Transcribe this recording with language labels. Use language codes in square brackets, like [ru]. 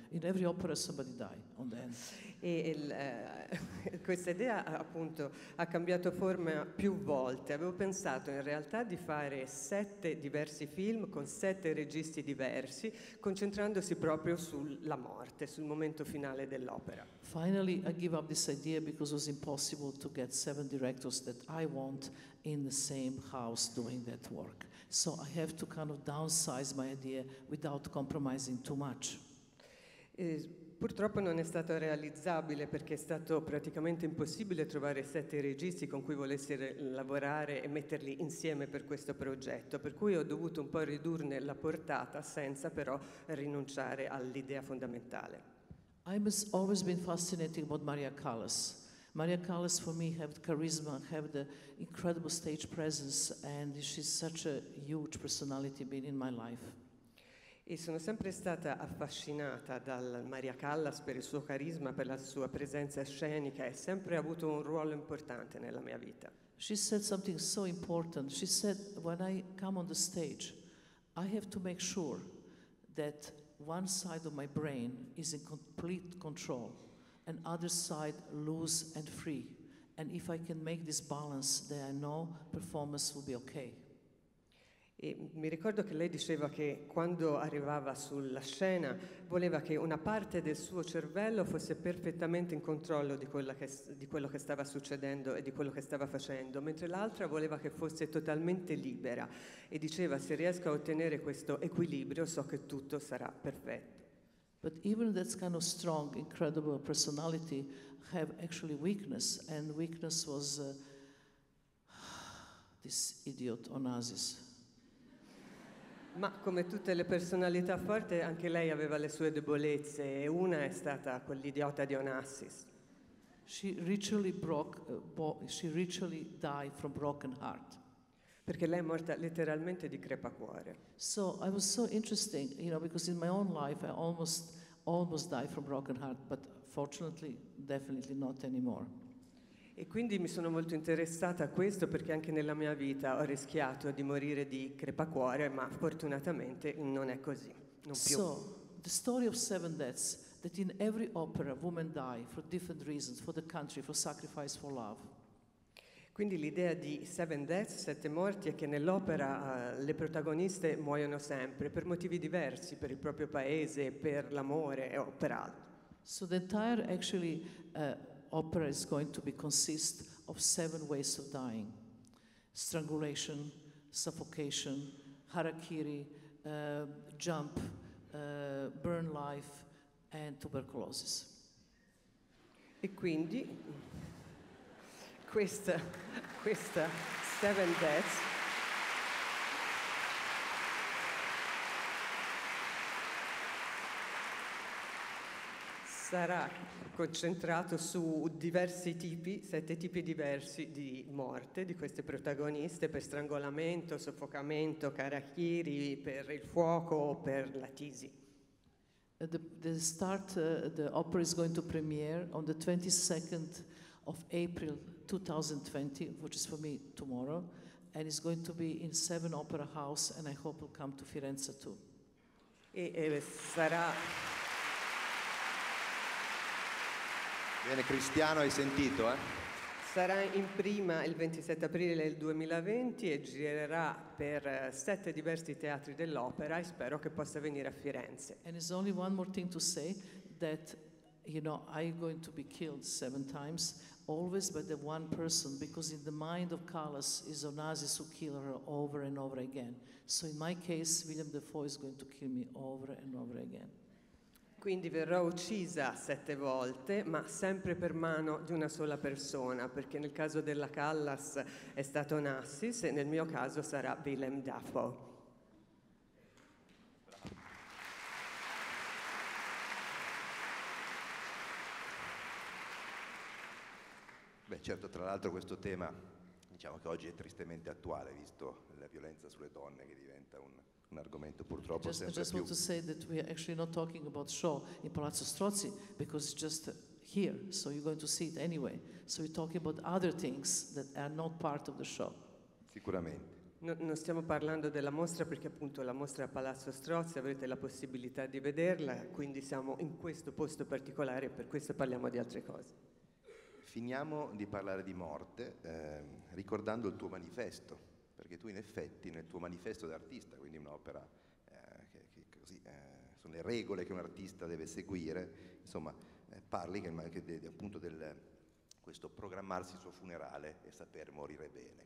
[en] In every opera somebody die on the end. [it] Questa idea appunto ha cambiato forma più volte. Avevo pensato in realtà di fare sette diversi film con sette registi diversi, concentrandosi proprio sulla morte, sul momento finale dell'opera. [en] Finally I give up this idea because it was impossible to get seven directors that I want in the same house doing that work. So I have to kind of downsize my idea without compromising too much. [it] Purtroppo non è stato realizzabile, perché è stato praticamente impossibile trovare sette registi con cui volessi lavorare e metterli insieme per questo progetto, per cui ho dovuto un po' ridurne la portata senza però rinunciare all'idea fondamentale. [en] I've always been fascinated about Maria Callas. Maria Callas for me have charisma, have the incredible stage presence, and she's such a huge personality being in my life. [it] E sono sempre stata affascinata dal Maria Callas per il suo carisma, per la sua presenza scenica, e sempre ha avuto un ruolo importante nella mia vita. [en] She said something so important. She said, when I come on the stage, I have to make sure that one side of my brain is in complete control and other side loose and free. And if I can make this balance, then I know performance will be okay. [it] E mi ricordo che lei diceva che quando arrivava sulla scena voleva che una parte del suo cervello fosse perfettamente in controllo di quello che stava succedendo e di quello che stava facendo, mentre l'altra voleva che fosse totalmente libera, e diceva: se riesco a ottenere questo equilibrio, so che tutto sarà perfetto. [en] But even that kind of strong, incredible personality have actually weakness, and weakness was this idiot Onassis. [it] Ma come tutte le personalità forti, anche lei aveva le sue debolezze, e una è stata quell'idiota di Onassis. [en] She ritually died from broken heart. [it] Perché lei è morta letteralmente di crepacuore. [en] So I was so interesting, you know, because in my own life I almost died from broken heart, but fortunately definitely not anymore. [it] E quindi mi sono molto interessata a questo, perché anche nella mia vita ho rischiato di morire di crepacuore, ma fortunatamente non è così, non più. [en] So, the story of seven deaths, that in every opera women die for different reasons, for the country, for sacrifice, for love. [it] Quindi l'idea di [en] seven deaths, [it] sette morti, è che nell'opera le protagoniste muoiono sempre per motivi diversi, per il proprio paese, per l'amore o per altro. [en] So the entire actually opera is going to be consist of seven ways of dying: strangulation, suffocation, harakiri, jump, burn life, and tuberculosis. [it] E quindi questa [en] seven deaths [it] sarà concentrato su diversi tipi, sette tipi diversi di morte di queste protagoniste: per strangolamento, soffocamento, karakiri, per il fuoco o per la tisi. [en] The opera is going to premiere on the 22nd of April 2020, which is for me tomorrow, and it's going to be in seven opera house, and I hope will come to Firenze too. [it] E sarà... Bene, Cristiano, hai sentito, eh? Sarà in prima il 27 aprile del 2020 e girerà per sette diversi teatri dell'opera, e spero che possa venire a Firenze. [en] And it's only one more thing to say, that, you know, I'm going to be killed seven times, always by the one person, because in the mind of Callas is Onassis who killed her over and over again. So in my case, William Dafoe is going to kill me over and over again. [it] Quindi verrò uccisa sette volte, ma sempre per mano di una sola persona, perché nel caso della Callas è stato Onassis e nel mio caso sarà Willem Dafoe. Beh, certo, tra l'altro questo tema, diciamo che oggi è tristemente attuale, visto la violenza sulle donne che diventa un argomento purtroppo sempre più... [en] I just want to say that we are actually not talking about Shaw in Palazzo Strozzi, because it's just here, so you're going to see it anyway. So we're talking about other things that are not part of the show. [it] Sicuramente. Non stiamo parlando della mostra, perché appunto la mostra a Palazzo Strozzi avrete la possibilità di vederla, quindi siamo in questo posto particolare, per questo parliamo di altre cose. Finiamo di parlare di morte ricordando il tuo manifesto, perché tu in effetti nel tuo manifesto d'artista, quindi un'opera che così sono le regole che un artista deve seguire, insomma, parli appunto del questo programmarsi il suo funerale e saper morire bene.